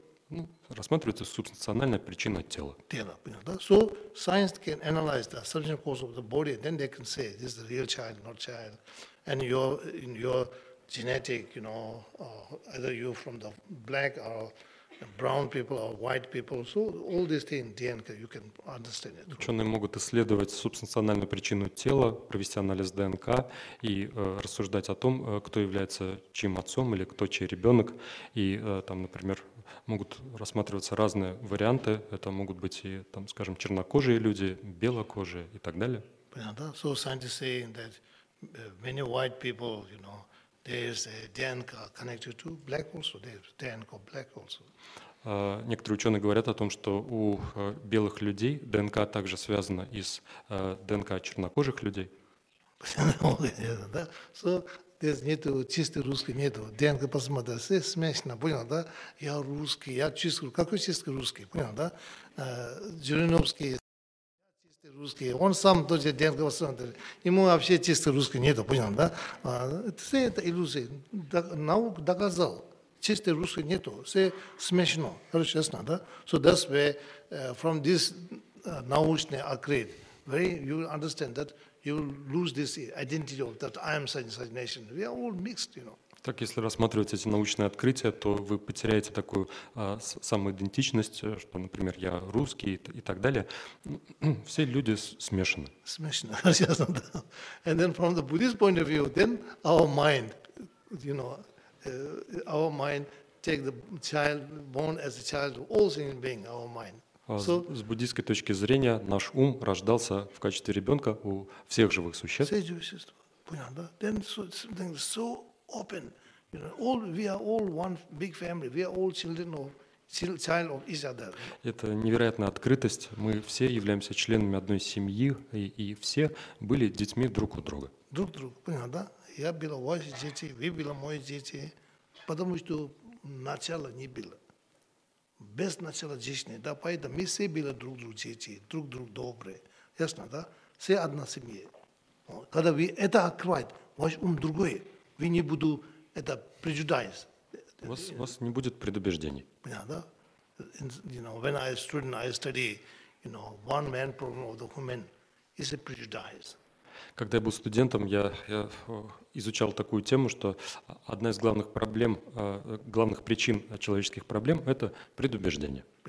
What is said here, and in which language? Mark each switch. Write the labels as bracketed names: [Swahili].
[Russian] Ну, рассматривается субстанциональная причина тела. Тело, понятно, да? [English] So science can analyze the substantial cause of the body, then they can say this is the real child, not child, and in your genetic, you know, either you from the black or brown people or white people, so all these things DNA you can understand it. [Russian] Ученые могут исследовать субстанциональную причину тела, провести анализ ДНК и рассуждать о том, кто является чьим отцом или кто чей ребенок, и там, например, могут рассматриваться разные варианты. Это могут быть и, там, скажем, чернокожие люди, белокожие и так далее. Понятно, да? [English] So scientists saying that many white people, you know, there is a DNA connected to black also. There is DNA of black also. [Russian] Некоторые ученые говорят о том, что у белых людей ДНК также связана и с ДНК чернокожих людей. Понятно, да? So здесь нету чистой русской, нету. ДНК посмотрел, все смешно, понял, да? Я русский, я чистый. Какой чистый русский, понял, да? Жириновский, чистый русский. Он сам тоже ДНК посмотрел. Ему вообще чистой русской нету, понял, да? Все это иллюзии. Наука доказал, чистой русской нету. Все смешно, короче, честно, да? [English] So that's why from this [Russian] научный открыт, [English] you understand that you lose this identity of that I am such a nation. We are all mixed, you know. [Russian] Так, если рассматривать эти научные открытия, то вы потеряете такую самоидентичность, что, например, я русский и так далее. Все люди смешаны. Смешаны, конечно, да. [English] And then from the Buddhist point of view, then our mind, you know, our mind take the child born as a child, all human being, our mind. [Russian] С буддийской точки зрения, наш ум рождался в качестве ребенка у всех живых существ. Все живые существа. Понятно, да? [English] Then something is so open. You know, all, we are all one big family. We are all children of, child of each other. [Russian] Это невероятная открытость. Мы все являемся членами одной семьи, и все были детьми друг у друга. Друг друга, понятно, да? Я была ваши дети, вы были мои дети, потому что начала не было. Без начала жизни, да, поэтому мы все были друг другу дети, друг другу добрые, ясно, да? Все одна семья. Когда вы это открываете, ваш ум другой, вы не буду это преждевременно. У вас не будет предубеждений. Понятно, да? [English] You know, when I student, I study, you know, one man problem of the human is a prejudice. [Russian] Когда я был студентом, я изучал такую тему, что одна из главных проблем, главных причин человеческих проблем – это предубеждение.